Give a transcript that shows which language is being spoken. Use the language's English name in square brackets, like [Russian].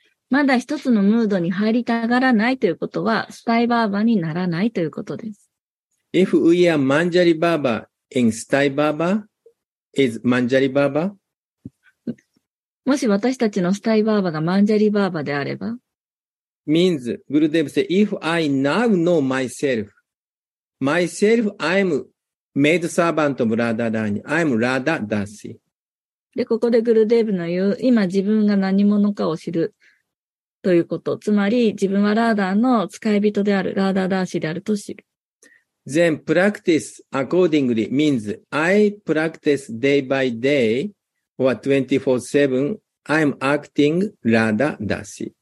[Japanese] まだ一つのムードに入りたがらないということは、スタイバーバにならないということです。 [English] If we are manjari baba in sthayi bhava, is manjari bhava? [Japanese] もし私たちのスタイバーバがマンジャリバーバであれば、 [English] means Gurudev say, if I now know myself, myself I'm maid servant of Radha Rani, I'm Radha Dasi. [Japanese] で、ここでグルデーブの言う、今自分が何者かを知るということ。つまり、自分はラーダーの使い人である、ラーダーダーシーであると知る。 [English] Then practice accordingly means I practice day by day or 24/7, I'm acting ラーダーダーシー。